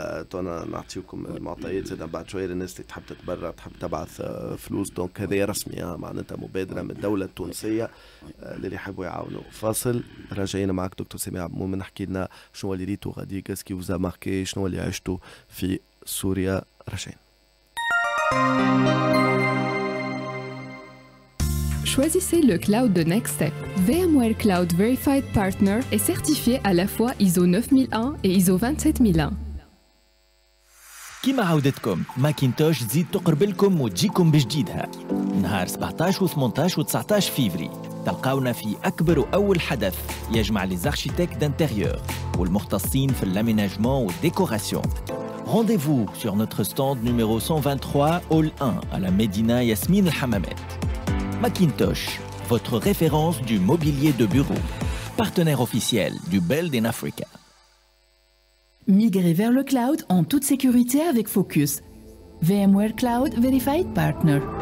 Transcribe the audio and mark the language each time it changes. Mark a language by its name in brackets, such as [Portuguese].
[Arabic] تونا نعطيكم المعطيات زاد بعد شويه للناس اللي تحب تتبرع تحب تبعث فلوس, دونك هذه رسمية معناتها مبادره من الدوله التونسيه للي يحبوا يعاونوا. فاصل راجعين معك دكتور سامي عبد المؤمن, نحكي لنا شنو اللي ريتو غادي كاسكي وزا ماركي, شنو اللي عشتو في سوريا. راجعين. [French] Choisissez le cloud de NextStep. VMware Cloud Verified Partner est certifié à la fois ISO 9001 et ISO 27001. [Arabic] كيما عودتكم ماكينتوش تزيد تقرب لكم وتجيكم بجديدها. نهار 17 و18 و19 فيفري تلقاونا في أكبر وأول حدث يجمع ليزارشيتيك دانتيريور والمختصين في اللاميناجمون والديكوراسيون. رونديفو سور نوتر ستاند نيميرو 123 هول 1 على مدينة ياسمين الحمامات. [French] Macintosh, votre référence du mobilier de bureau. Partenaire officiel du Build in Africa. Migrez vers le cloud en toute sécurité avec Focus. VMware Cloud Verified Partner.